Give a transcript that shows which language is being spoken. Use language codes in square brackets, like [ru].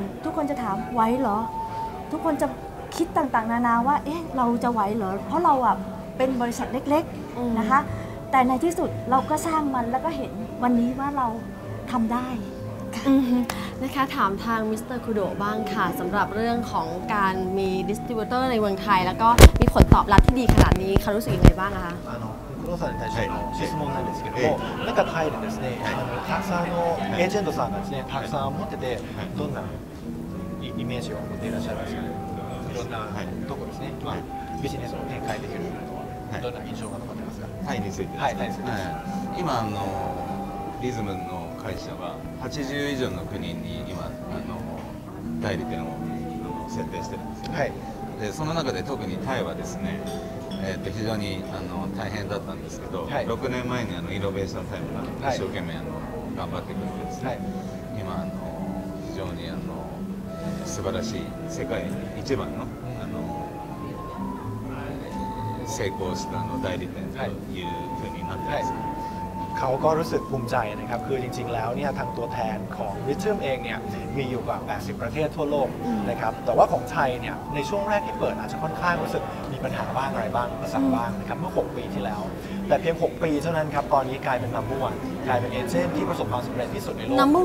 [th] ทุกคนจะถามไหวหรอทุกคนจะคิดต่างๆนานาว่าเอ๊ะเราจะไหวหรอเพราะเราอ่ะเป็นบริษัทเล็กๆนะคะแต่ในที่สุดเราก็สร้างมันแล้วก็เห็นวันนี้ว่าเราทำได้ นะคะถามทางมิสเตอร์คุโดะบ้างค่ะสำหรับเรื่องของการมีดิสทริบิวเตอร์ในเมืองไทยแล้วก็มีผลตอบรับที่ดีขนาดนี้เขารู้สึกยังไงบ้างคะ [ja] クロサに対しての質問なんですけども、なんかタイでですね、たくさんのエージェントさんがですね、たくさん持ってて、どんなイメージを持っていらっしゃるんですか。いろんなところですね、まあビジネスを展開できるとはどんな印象が残ってますか。タイについてですね。今リズムの会社は80以上の国に今代理店を設定してるんですよ。はい。でその中で特にタイはですね。非常に大変だったんですけど、はい、 6年前にイノベーションタイムが一生懸命頑張ってくれてですね、はい、今非常に素晴らしい世界一番 の、はい成功した代理店というふうになってます、はいはい [th] เขาก็รู้สึกภูมิใจนะครับคือจริงๆแล้วเนี่ยทางตัวแทนของ Rhythm เองเนี่ยมีอยู่กว่า80ประเทศทั่วโลกนะครับแต่ว่าของไทยเนี่ยในช่วงแรกที่เปิดอาจจะค่อนข้างรู้สึกมีปัญหาบ้างอะไรบ้างประสาทบ้างนะครับเมื่อ6ปีที่แล้วแต่เพียง6ปีเท่านั้นครับตอนนี้กลายเป็นนัมเบอร์1กลายเป็นเอเจนต์ที่ประสบความสำเร็จที่สุดในโลก